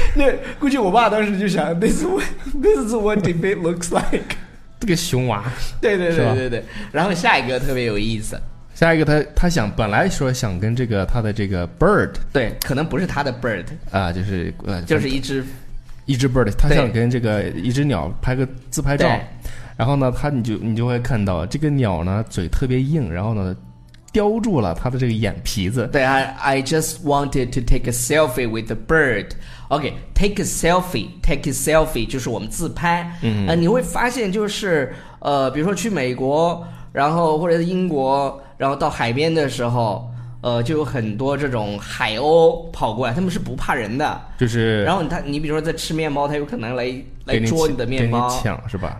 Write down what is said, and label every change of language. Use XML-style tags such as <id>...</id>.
<zh>那估计我爸当时就想</zh> <en>This is what debate looks like，</en> <zh>这个熊娃，对对对对对。然后下一个特别有意思，下一个他想本来说想跟这个他的这个 bird，对，可能不是他的 bird 啊、就是就是一只 bird， 他想跟这个一只鸟拍个自拍照，然后呢你就会看到这个鸟呢嘴特别硬，然后呢叼住了他的这个眼皮子。对</zh> <en>I just wanted to take a selfie with the bird. Okay, take a selfie</en> <zh>就是我们自拍。嗯、你会发现就是比如说去美国，然后或者英国，然后到海边的时候，就有很多这种海鸥跑过来，他们是不怕人的。就是。然后你比如说在吃面包，他有可能来捉你的面包，跟你抢是吧？</zh>